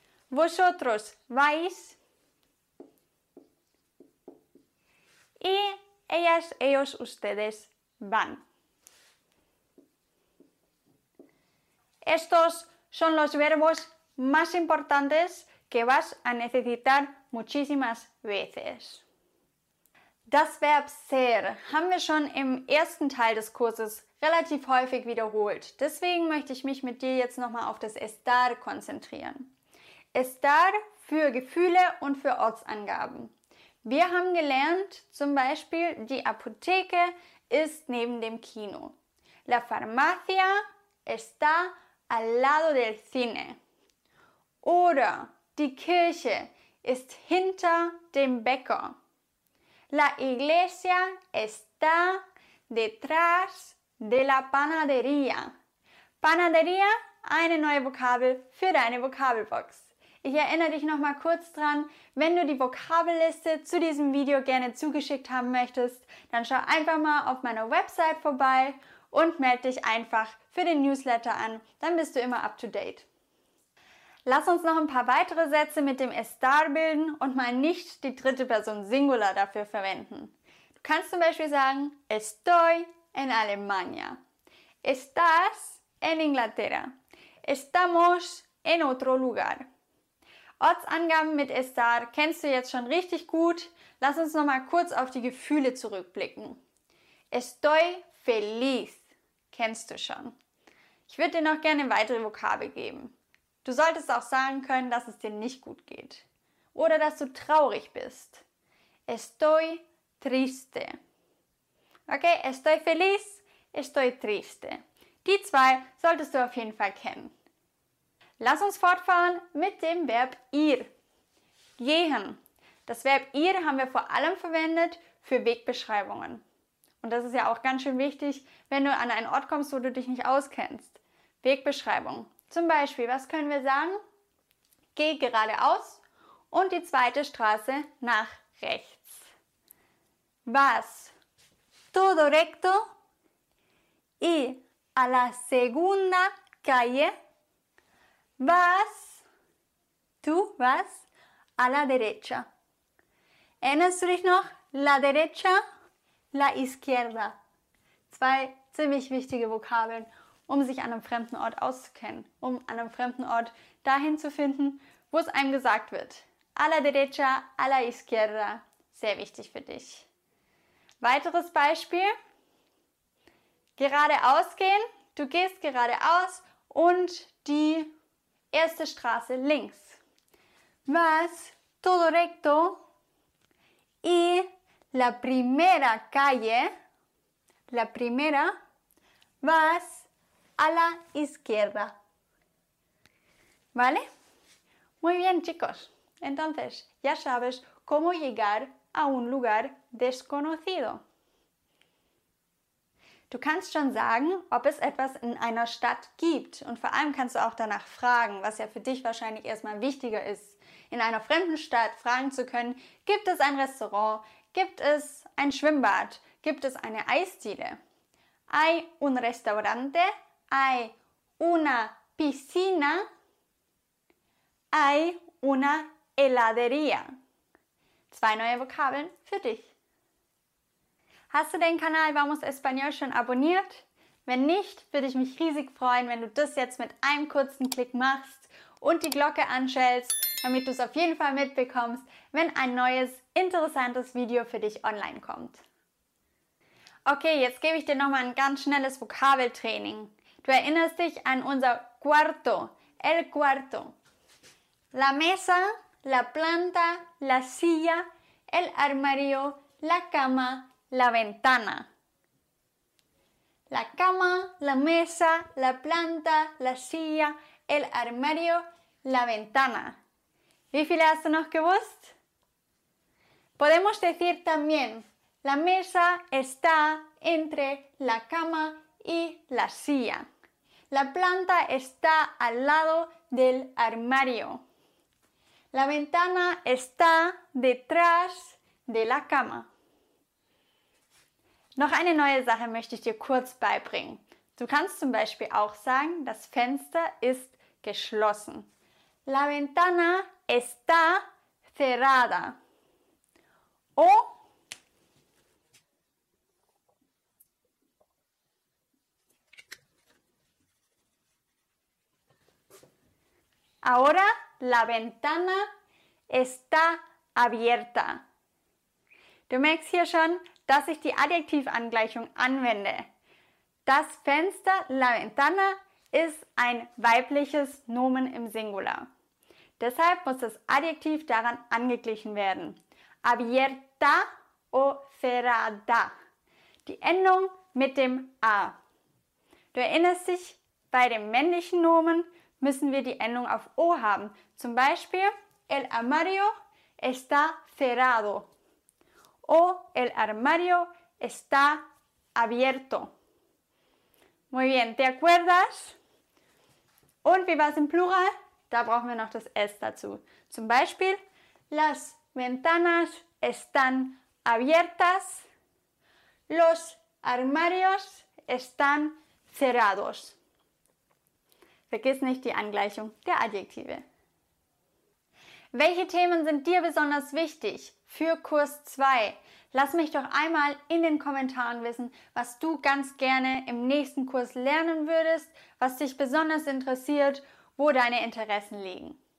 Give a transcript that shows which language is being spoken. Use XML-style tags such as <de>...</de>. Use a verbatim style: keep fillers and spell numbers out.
<es>Vosotros vais y ellas, ellos, ustedes van. Estos son los verbos más importantes que vas a necesitar muchísimas veces.</es> <de>Das Verb ser haben wir schon im ersten Teil des Kurses relativ häufig wiederholt. Deswegen möchte ich mich mit dir jetzt nochmal auf das estar konzentrieren. Estar für Gefühle und für Ortsangaben. Wir haben gelernt, zum Beispiel, die Apotheke ist neben dem Kino.</de> <es>La farmacia está al lado del cine.</es> <de>Oder die Kirche ist hinter dem Bäcker.</de> <es>La iglesia está detrás de la panadería.</es> <de>Panadería, eine neue Vokabel für deine Vokabelbox. Ich erinnere dich nochmal kurz dran, wenn du die Vokabelliste zu diesem Video gerne zugeschickt haben möchtest, dann schau einfach mal auf meiner Website vorbei und melde dich einfach für den Newsletter an, dann bist du immer up to date. Lass uns noch ein paar weitere Sätze mit dem estar bilden und mal nicht die dritte Person Singular dafür verwenden. Du kannst zum Beispiel sagen,</de> <es>estoy en Alemania. Estás en Inglaterra. Estamos en otro lugar.</es> <de>Ortsangaben mit estar kennst du jetzt schon richtig gut. Lass uns nochmal kurz auf die Gefühle zurückblicken.</de> <es>Estoy feliz</es> <de>kennst du schon. Ich würde dir noch gerne weitere Vokabeln geben. Du solltest auch sagen können, dass es dir nicht gut geht. Oder dass du traurig bist.</de> <es>Estoy triste. Okay, estoy feliz, estoy triste.</es> <de>Die zwei solltest du auf jeden Fall kennen. Lass uns fortfahren mit dem Verb ir. Gehen. Das Verb ir haben wir vor allem verwendet für Wegbeschreibungen. Und das ist ja auch ganz schön wichtig, wenn du an einen Ort kommst, wo du dich nicht auskennst. Wegbeschreibung. Zum Beispiel, was können wir sagen? Geh geradeaus und die zweite Straße nach rechts.</de> <es>Vas todo recto y a la segunda calle. Vas, tú vas a la derecha.</es> <de>Erinnerst du dich noch?</de> <es>La derecha, la izquierda.</es> <de>Zwei ziemlich wichtige Vokabeln, um sich an einem fremden Ort auszukennen, um an einem fremden Ort dahin zu finden, wo es einem gesagt wird.</de> <es>A la derecha, a la izquierda.</es> <de>Sehr wichtig für dich. Weiteres Beispiel. Geradeaus gehen. Du gehst geradeaus und die erste Straße links.</de> <es>Vas todo recto y la primera calle, la primera, vas a la izquierda. ¿Vale? Muy bien, chicos. Entonces, ya sabes cómo llegar a un lugar desconocido.</es> <de>Du kannst schon sagen, ob es etwas in einer Stadt gibt. Und vor allem kannst du auch danach fragen, was ja für dich wahrscheinlich erstmal wichtiger ist. In einer fremden Stadt fragen zu können, gibt es ein Restaurant, gibt es ein Schwimmbad, gibt es eine Eisdiele?</de> <es>Hay un restaurante, hay una piscina, hay una heladería.</es> <de>Zwei neue Vokabeln für dich. Hast du den Kanal Vamos Español schon abonniert? Wenn nicht, würde ich mich riesig freuen, wenn du das jetzt mit einem kurzen Klick machst und die Glocke anschellst, damit du es auf jeden Fall mitbekommst, wenn ein neues, interessantes Video für dich online kommt. Okay, jetzt gebe ich dir nochmal ein ganz schnelles Vokabeltraining. Du erinnerst dich an unser Cuarto, el Cuarto.</de> <es>La mesa, la planta, la silla, el armario, la cama, la ventana. La cama, la mesa, la planta, la silla, el armario, la ventana.</es> <de>¿Wie viele hast du noch gewusst?</de> <es>Podemos decir también, la mesa está entre la cama y la silla. La planta está al lado del armario. La ventana está detrás de la cama.</es> <de>Noch eine neue Sache möchte ich dir kurz beibringen. Du kannst zum Beispiel auch sagen, das Fenster ist geschlossen.</de> <es>La ventana está cerrada. O ahora la ventana está abierta.</es> <de>Du merkst hier schon, dass ich die Adjektivangleichung anwende. Das Fenster, la ventana, ist ein weibliches Nomen im Singular. Deshalb muss das Adjektiv daran angeglichen werden.</de> <es>Abierta o cerrada.</es> <de>Die Endung mit dem a. Du erinnerst dich, bei dem männlichen Nomen müssen wir die Endung auf o haben. Zum Beispiel,</de> <es>el armario está cerrado. O el armario está abierto. Muy bien, ¿te acuerdas?</es> <de>Und wie war es im Plural? Da brauchen wir noch das S dazu. Zum Beispiel,</de> <es>las ventanas están abiertas. Los armarios están cerrados.</es> <de>Vergiss nicht die Angleichung der Adjektive. Welche Themen sind dir besonders wichtig für Kurs zwei? Lass mich doch einmal in den Kommentaren wissen, was du ganz gerne im nächsten Kurs lernen würdest, was dich besonders interessiert, wo deine Interessen liegen.</de>